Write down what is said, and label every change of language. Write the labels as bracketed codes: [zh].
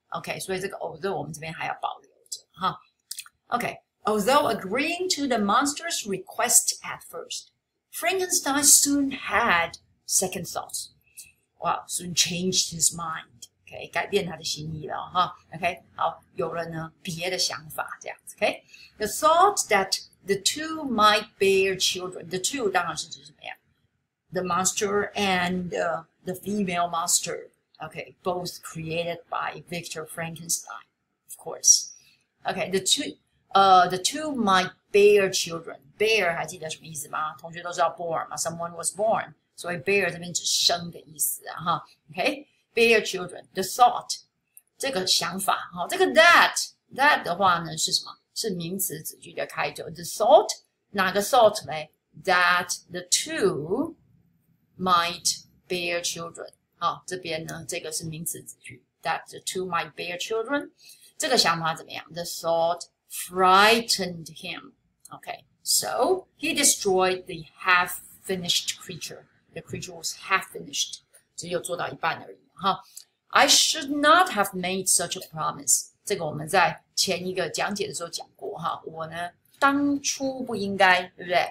[en] OK， [zh] 所以这个 [en] although [zh] 我们这边还要保留着哈。 [en] OK，although agreeing to the monster's request at first, Frankenstein soon had second thoughts. Wow, soon changed his mind. [zh] OK，改变他的心意了哈。OK，好，有了呢别的想法这样子。 [en] OK，the thought that the two might bear children. The two [zh] 当然是指什么呀？ [en] The monster and the female monster. Okay, both created by Victor Frankenstein, of course. Okay, the two might bear children. [zh] Bear 还记得什么意思吗？同学都知道 born 嘛， [en] someone was born. [zh] 所以 bear 这边指生的意思啊，哈。 [en] Okay, bear children. [zh] The thought 这个想法，哈，这个 that That 的话呢是什么？是名词子句的开头。The thought 哪个 thought 呢 ？ [en] That the two might bear children。 [zh] 好，这边呢，这个是名词子句。 [en] That the two might bear children， [zh] 这个想法怎么样 [en] ？The thought frightened him。 Okay， so he destroyed the half-finished creature。 The creature was half-finished， [zh] 只有做到一半而已。 [en] 哈 ，I should not have made such a promise。 [zh] 这个我们在前一个讲解的时候讲过哈，我呢当初不应该，对不对？